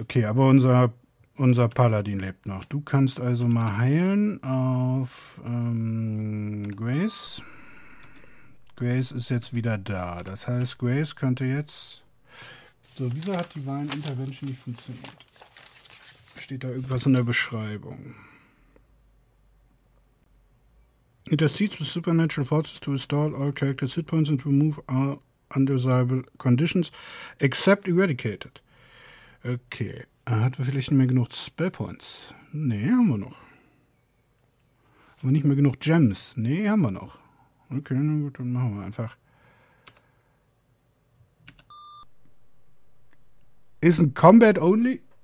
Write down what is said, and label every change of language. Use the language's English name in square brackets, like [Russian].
[German] Okay, aber unser Paladin lebt noch. Du kannst also mal heilen auf Grace. Grace ist jetzt wieder da. Das heißt, Grace könnte jetzt... So, wieso hat die Divine Intervention nicht funktioniert? Steht da irgendwas in der Beschreibung? [English] It succeeds with supernatural forces to install all characters' hit points and remove all undesirable conditions, except eradicated. Okay. [German] Hat wir vielleicht nicht mehr genug Spellpoints? Nee, haben wir noch. Haben wir nicht mehr genug Gems? Nee, haben wir noch. Okay, na gut, dann machen wir einfach. Ist ein Combat Only?